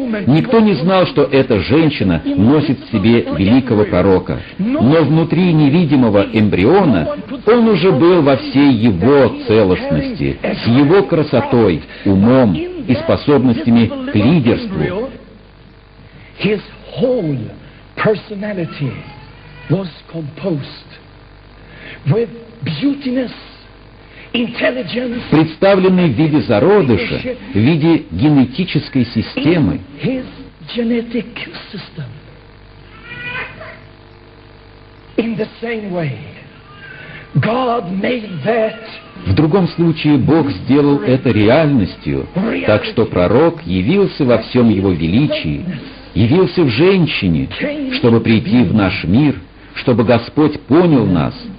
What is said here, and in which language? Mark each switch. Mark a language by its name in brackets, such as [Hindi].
[Russian] Никто не знал, что эта женщина носит в себе великого пророка. Но внутри невидимого эмбриона он уже был во всей его целостности, с его красотой, умом и способностями к лидерству. [English] His whole personality was composed with beautiness, intelligence, [Russian] представленный в виде зародыша, в виде генетической системы. [English] His genetic system. In the same way, God made that. [Russian] В другом случае Бог сделал это реальностью, так что пророк явился во всем его величии. Явился в женщине, чтобы прийти в наш мир, чтобы Господь понял нас.